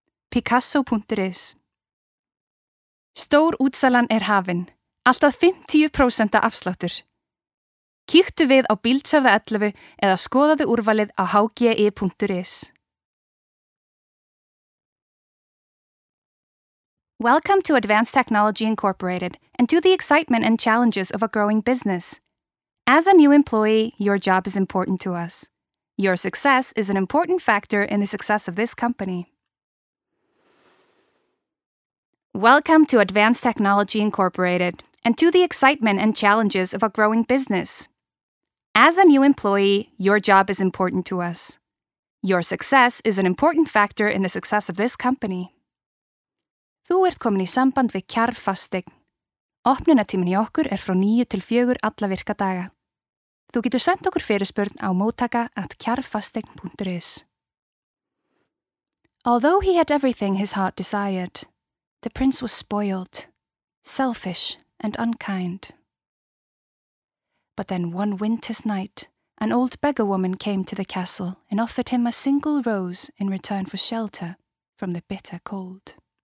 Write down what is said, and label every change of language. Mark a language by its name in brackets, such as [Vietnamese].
[Icelandic] Picasso.is Stór útsalan hafin. Alltaf 50% afsláttur. Kíktu við á bíltsöfða 11 eða skoðaðu úrvalið á hgi.is. [English] Welcome to Advanced Technology Incorporated and to the excitement and challenges of a growing business. As a new employee, your job is important to us. Your success is an important factor in the success of this company. Welcome to Advanced Technology Incorporated. And to the excitement and challenges of a growing business. As a new employee, your job is important to us. Your success is an important factor in the success of this company. [Icelandic] Þú ert komin í samband við Kjarr Fasteign. Opnunartíminn hjá okkur frá 9 til 4 alla virka daga. Þú getur sent okkur fyrirspurn á mottaka@kjarrfasteign.is. [English] Although he had everything his heart desired, the prince was spoiled, selfish, and unkind. But then one winter's night, an old beggar woman came to the castle and offered him a single rose in return for shelter from the bitter cold.